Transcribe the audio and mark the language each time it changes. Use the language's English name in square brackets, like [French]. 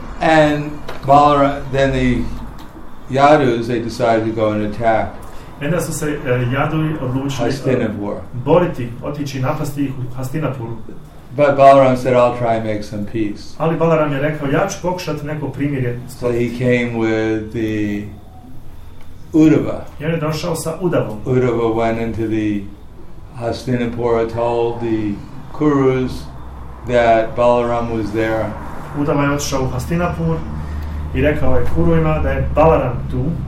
[English] And Balaram, then the Yadus, they decided to go and attack. [Bosnian] Onda su se Yadavi odlučili boriti, otići napasti ih u Hastinapuru. [English] But Balaram said, "I'll try and make some peace." [Bosnian] Ali Balaram je rekao, ja ću pokušati neko primirje. [English] So he came with the Uddhava. [Bosnian] I on je došao sa Uddhavom. [English] Uddhava went into the Hastinapura, told the Kurus that Balaram was there. [Bosnian] Uddhava je otišao u Hastinapur i rekao je Kuruima da je Balaram tu.